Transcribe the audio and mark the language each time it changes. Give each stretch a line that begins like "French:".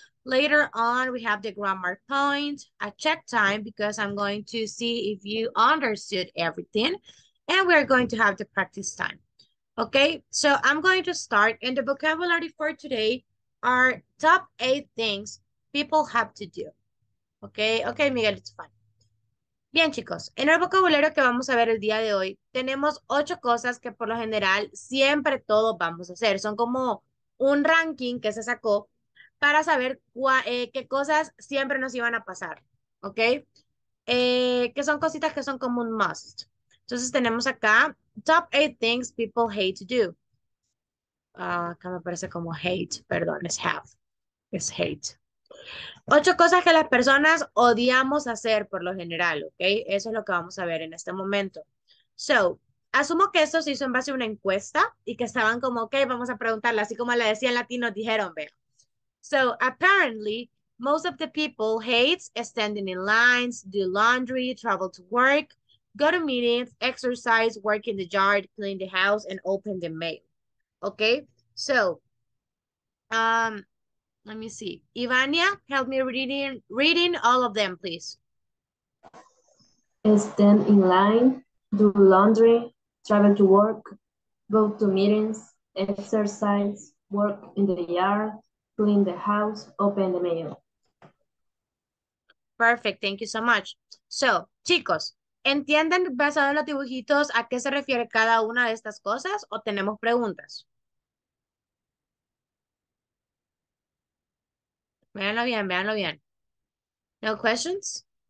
English: Later on, we have the grammar point, a check time, because I'm going to see if you understood everything. And we're going to have the practice time. Okay, so I'm going to start. And the vocabulary for today are top eight things people have to do. Okay, okay, Miguel, it's fine.
Spanish: Bien, chicos, en el vocabulario que vamos a ver el día de hoy, tenemos ocho cosas que por lo general siempre todos vamos a hacer. Son como un ranking que se sacó para saber qué cosas siempre nos iban a pasar, ¿ok? Que son cositas que son como un must. Entonces tenemos acá,
English: top 8 things people hate to do.
Spanish: Acá me parece como hate, perdón, es have, es hate. Ocho cosas que las personas odiamos hacer por lo general, ¿ok? Eso es lo que vamos a ver en este momento. So, asumo que esto se hizo en base a una encuesta y que estaban como, ok, vamos a preguntarle, así como la decía en latino, dijeron, vean.
English: So, apparently, most of the people hates standing in lines, do laundry, travel to work, go to meetings, exercise, work in the yard, clean the house, and open the mail. Okay? So, let me see. Ivania, help me reading all of them, please. Stand in line, do laundry, travel to work, go to meetings, exercise, work in the yard, clean the house, open the mail. Perfect, thank you so much.
Spanish: So, chicos, ¿entienden basado en los dibujitos a qué se refiere cada una de estas cosas o tenemos preguntas? Véanlo bien, véanlo bien.
English: No questions?